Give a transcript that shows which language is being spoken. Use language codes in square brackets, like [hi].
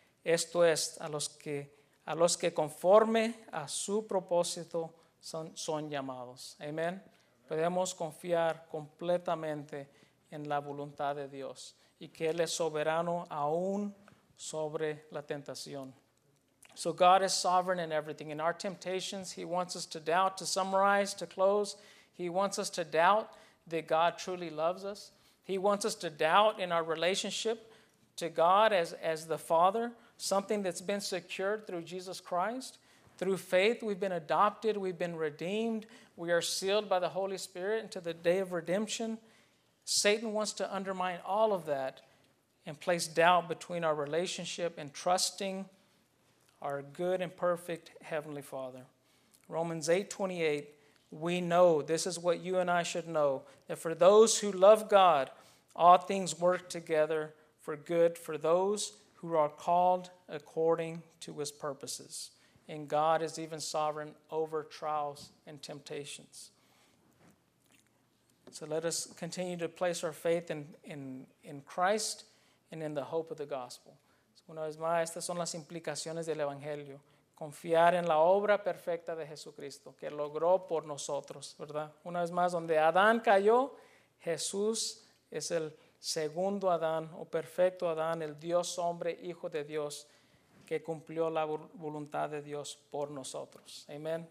[es] Esto es, a los que conforme a su propósito son llamados. Amén. Podemos confiar completamente en la voluntad de Dios y que Él es soberano aún sobre la tentación. [en] So God is sovereign in everything. In our temptations, He wants us to doubt. To summarize, to close, He wants us to doubt that God truly loves us. He wants us to doubt in our relationship to God as the Father, something that's been secured through Jesus Christ. Through faith, we've been adopted, we've been redeemed, we are sealed by the Holy Spirit into the day of redemption. Satan wants to undermine all of that and place doubt between our relationship and trusting our good and perfect Heavenly Father. Romans 8:28, we know, this is what you and I should know, that for those who love God, all things work together for good for those who are called according to His purposes. And God is even sovereign over trials and temptations. So let us continue to place our faith in Christ and in the hope of the gospel. [es] Una vez más, estas son las implicaciones del Evangelio. Confiar en la obra perfecta de Jesucristo, que logró por nosotros, ¿verdad? Una vez más, donde Adán cayó, Jesús es el segundo Adán, o perfecto Adán, el Dios hombre, Hijo de Dios, que cumplió la voluntad de Dios por nosotros. Amén.